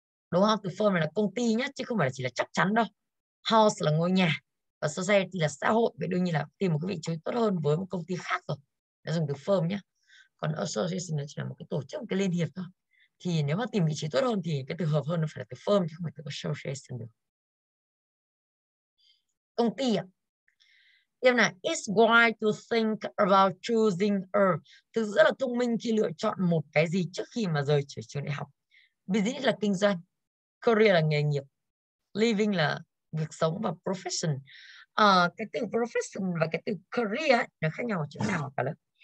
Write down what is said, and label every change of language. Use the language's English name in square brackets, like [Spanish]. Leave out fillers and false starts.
[Vietnamese] Đúng không? Từ firm là công ty nhá, chứ không phải là chỉ là chắc chắn đâu. House là ngôi nhà. Và society là xã hội, vậy đương nhiên là tìm một cái vị trí tốt hơn với một công ty khác rồi. Đã dùng từ firm nhé. Còn association nó chỉ là một cái tổ chức, một cái liên hiệp thôi. Thì nếu mà tìm vị trí tốt hơn thì cái từ hợp hơn nó phải là từ firm chứ không phải từ association được. Công ty ạ. Tiếp này, [English] it's wise to think about choosing a. [Vietnamese] Thực rất là thông minh khi lựa chọn một cái gì trước khi mà rời trở trường đại học. Business là kinh doanh, career là nghề nghiệp, living là việc sống và profession. À, cái từ profession và cái từ career ấy, nó khác nhau ở chỗ nào cả lớp.